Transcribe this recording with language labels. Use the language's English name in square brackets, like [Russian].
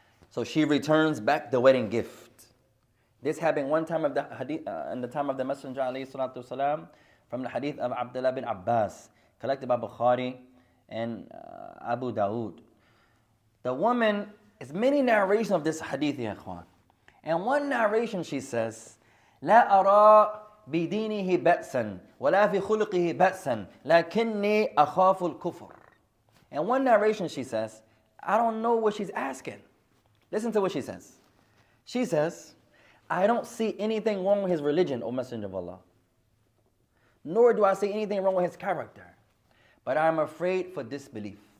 [English] So she returns back the wedding gift. This happened one time of the hadith, in the time of the Messenger alayhi salatu wasalam, from the hadith of Abdullah bin Abbas, collected by Bukhari and Abu Dawood. The woman, there's many narrations of this hadith, ya ikhwan. And one narration she says, [Arabic] La ara بِدِينِهِ بَأْسًا وَلَا فِي خُلُقِهِ بَأْسًا لَكِنِّي أَخَافُ الْكُفُرِ. [English] And one narration she says, I don't know what she's asking. Listen to what she says. She says, I don't see anything wrong with his religion, O Messenger of Allah. Nor do I see anything wrong with his character. But I'm afraid for disbelief.